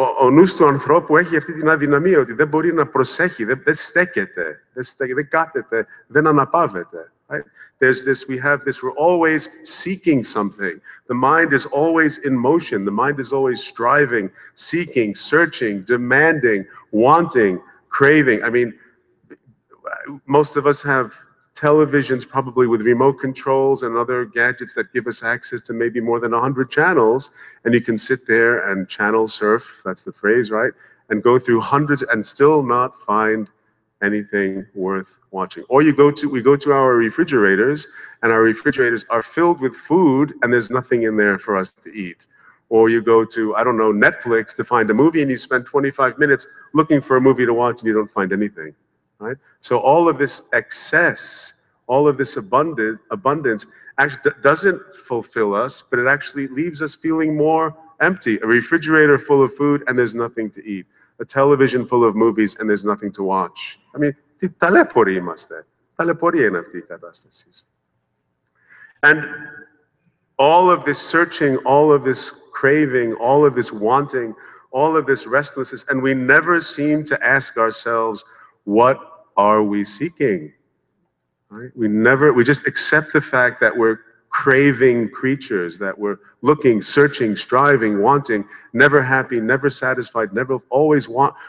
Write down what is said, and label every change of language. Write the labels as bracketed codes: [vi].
[el] Ο νους του ανθρώπου έχει αυτή την αδυναμία ότι δεν μπορεί να προσέχει, δεν στέκεται, δεν κάθεται, δεν αναπαύεται. [en] Right? There's this, we have this, we're always seeking something. The mind is always in motion. The mind is always striving, seeking, searching, demanding, wanting, craving. I mean, most of us have televisions probably with remote controls and other gadgets that give us access to maybe more than 100 channels, and you can sit there and channel surf, that's the phrase, right? And go through hundreds and still not find anything worth watching. Or we go to our refrigerators, and our refrigerators are filled with food and there's nothing in there for us to eat. Or you go to, I don't know, Netflix to find a movie, and you spend 25 minutes looking for a movie to watch and you don't find anything. Right? So all of this excess, all of this abundance actually doesn't fulfill us, but it actually leaves us feeling more empty. A refrigerator full of food and there's nothing to eat. A television full of movies and there's nothing to watch. I mean, [el] τι ταλαιπωρεί είμαστε. Ταλαιπωρεί είναι αυτή η κατάσταση. [en] And all of this searching, all of this craving, all of this wanting, all of this restlessness, and we never seem to ask ourselves, what are we seeking? Right? We just accept the fact that we're craving creatures, that we're looking, searching, striving, wanting, never happy, never satisfied, never always want.